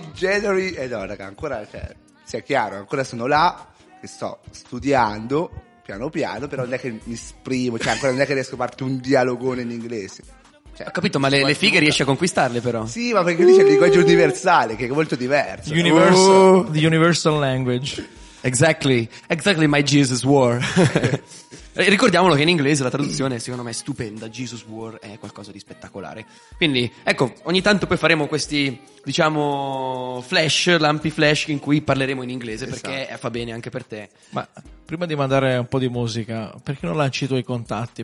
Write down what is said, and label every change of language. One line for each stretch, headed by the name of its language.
Italian: January, no, raga, ancora, cioè, sia chiaro, ancora sono là, che sto studiando, piano piano, però non è che mi esprimo, cioè ancora non è che riesco a farti un dialogone in inglese. Cioè, ho capito, ma le fighe riesci a conquistarle però. Sì, ma perché lì c'è il linguaggio universale, che è molto diverso.
English: The universal language. Exactly, exactly my Jesus war.
Italian: Ricordiamolo che in inglese la traduzione secondo me è stupenda. Jesus war è qualcosa di spettacolare. Quindi, ecco, ogni tanto poi faremo questi, diciamo, flash, lampi flash in cui parleremo in inglese. Esatto. Perché fa bene anche per te. Ma prima di mandare un po' di musica, perché non lanci i tuoi contatti?